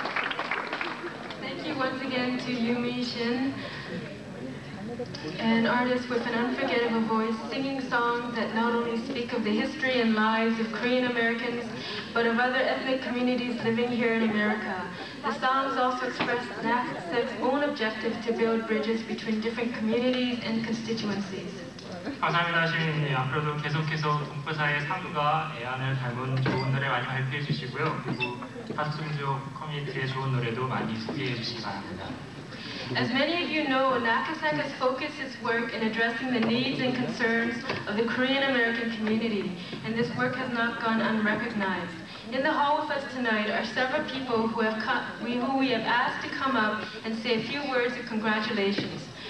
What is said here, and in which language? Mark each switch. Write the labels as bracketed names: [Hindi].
[English] going to Yumishin, an artist with an unforgettable voice, singing songs that not only speak of the history and lives of Korean Americans, but of other ethnic communities living here in America. The songs also express NACSEC's own objective to build bridges between different communities and constituencies. [Korean] 감사합니다, 시민님. 앞으로도 계속해서 동포사의 삶과 애안을 담은 좋은 노래 많이 발표해 주시고요. 그리고 다수민족 커뮤니티의 좋은 노래도 많이 소개해 주시기 바랍니다. [English] As many of you know, NACSEC has focused its work in addressing the needs and concerns of the Korean American community, and this work has not gone unrecognized. In the hall with us tonight are several people who we have asked to come up and say a few words of congratulations.